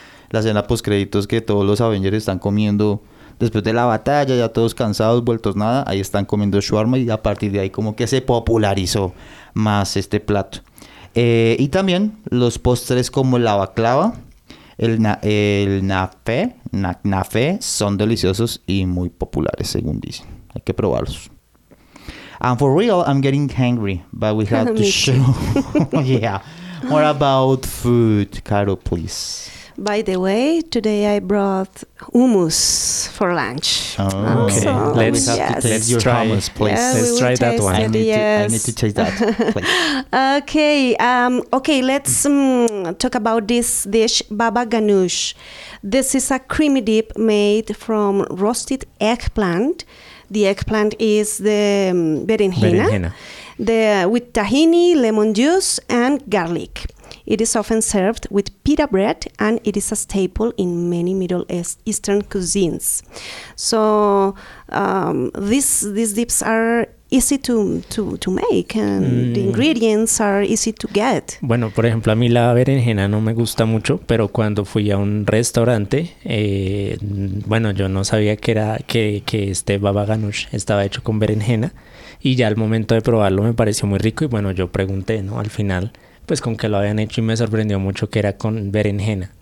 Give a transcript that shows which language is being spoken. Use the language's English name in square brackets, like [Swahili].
[Spanish] La escena postcréditos que todos los Avengers están comiendo... Después de la batalla, ya todos cansados, vueltos nada, ahí están comiendo shawarma y a partir de ahí como que se popularizó más este plato. Y también los postres como la baklava, el nafé, son deliciosos y muy populares, según dicen. Hay que probarlos. [English] And for real, I'm getting hungry, but we have to show. Yeah. What about food, Caro, please? By the way, today I brought hummus for lunch. Oh, okay. So, let's try that one. I need to taste that. Please. Okay. Let's talk about this dish, baba ganoush. This is a creamy dip made from roasted eggplant. The eggplant is the berenjena. With tahini, lemon juice, and garlic. It is often served with pita bread, and it is a staple in many Middle Eastern cuisines. So these dips are easy to make, and the ingredients are easy to get. [Spanish] Bueno, por ejemplo, a mí la berenjena no me gusta mucho, pero cuando fui a un restaurante, bueno, yo no sabía que este baba ganoush estaba hecho con berenjena, y ya al momento de probarlo me pareció muy rico, y bueno, yo pregunté, ¿no? Al final... Pues con que lo habían hecho y me sorprendió mucho que era con berenjena.